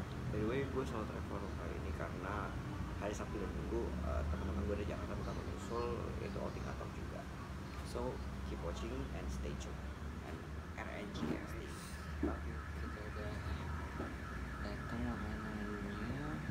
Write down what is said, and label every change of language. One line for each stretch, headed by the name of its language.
English: By the way,
Indonesian: gue solo travel hari ini karena hari Sabtu dan Minggu teman-teman gue dari Jakarta bakal menyusul, yaitu outing atau juga.
English: So keep watching and stay tune and RNG ya.
Indonesian: Kita udah datang makanannya,